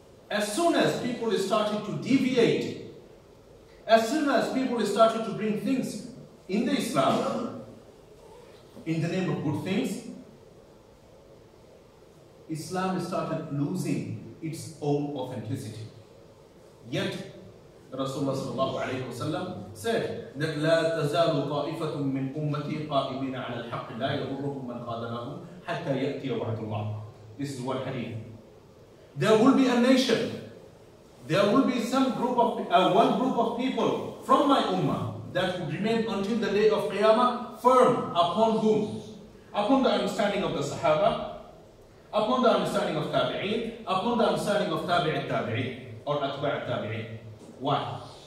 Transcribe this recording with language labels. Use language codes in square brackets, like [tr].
[en] As soon as people started to deviate, as soon as people started to bring things in the Islam, in the name of good things, Islam started losing its own authenticity. Yet, Rasulullah sallallahu alayhi wa sallam said that [ar] لا تزال طائفة من أمتي قائمين على الحق لا يضرهم من خادمهم حتى يأتي وعد الله. [en] This is one hadith. There will be a nation, there will be some group of one group of people from my ummah that will remain until the day of Qiyamah firm upon whom? Upon the understanding of the Sahaba, upon the understanding of Tabi'in, upon the understanding of Tabi'at Tabi'in or Atba'at Tabi'in. Why?